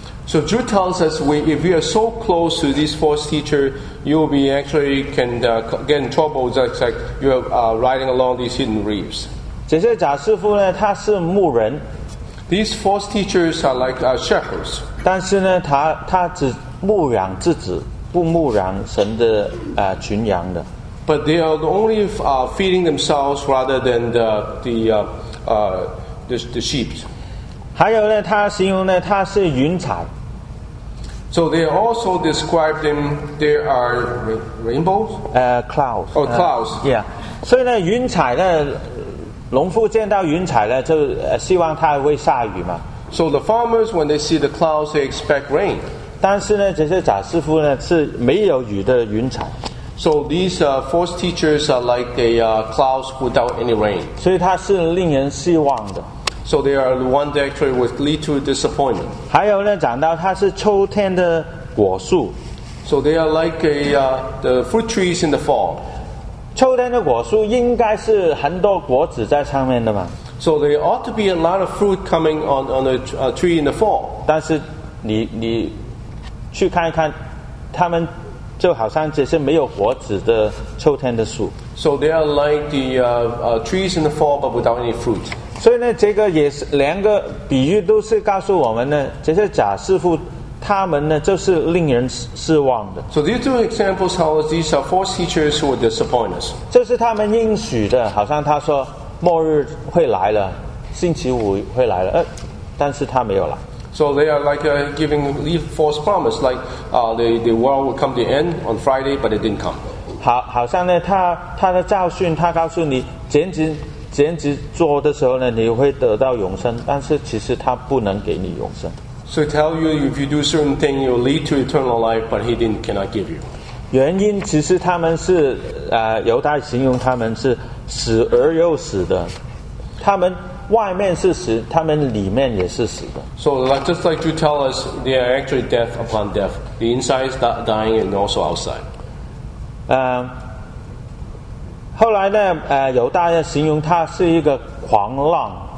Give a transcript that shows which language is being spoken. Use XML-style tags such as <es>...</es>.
<en>So Jude tells us, if we are so close to this false teacher, you will be actually can get in trouble, just like you are riding along these hidden reefs.</en> <zh>这些假师傅呢，他是牧人。</zh> <en>These false teachers are like shepherds.</en> <zh>但是呢，他只牧养自己，不牧养神的群羊的。</zh> <en>But they are only feeding themselves rather than the sheep.</en> <zh>还有呢，他形容呢，他是云彩。</zh> <en>So they also describe them. There are rainbows. Clouds. Oh, clouds. Yeah.</en> <zh>所以呢，云彩呢，农夫见到云彩呢，就希望它会下雨嘛。</zh> <en>So the farmers, when they see the clouds, they expect rain.</en> <zh>但是呢，这些假师傅呢是没有雨的云彩。</zh> <en>So these false teachers are like the clouds without any rain.</en> <zh>所以它是令人失望的。</zh> <en>So they are the ones actually would lead to disappointment.</en> <zh>还有呢，讲到它是秋天的果树。</zh> <en>So they are like a the fruit trees in the fall.</en> <zh>秋天的果树应该是很多果子在上面的嘛。</zh> <en>So there ought to be a lot of fruit coming on a tree in the fall.</en> <zh>但是你去看一看，他们就好像这些没有果子的秋天的树。</zh> <en>So they are like the trees in the fall, but without any fruit.</en> <zh>所以呢，这个也是两个比喻，都是告诉我们呢，这些假师傅他们呢就是令人失望的。</zh> <en>So these two examples tell us these are false teachers who are disappointers.</en> <zh>就是他们应许的，好像他说。末日会来了，星期五会来了，但是他没有来。</zh> <en>So they are like giving false promise, like the world will come to end on Friday, but it didn't come.</en> <zh>好像呢，他的教训，他告诉你，剪纸做的时候呢，你会得到永生，但是其实他不能给你永生。</zh> <en>So he tell you if you do certain thing, you lead to eternal life, but he didn't cannot give you.</en> <zh>原因其实他们是犹大形容他们是。死而又死的，他们外面是死，他们里面也是死的。</zh> <en>So just like you tell us, they are actually death upon death. The inside is not dying and also outside.</en> <zh>后来呢？犹大呢形容他是一个狂浪。</zh>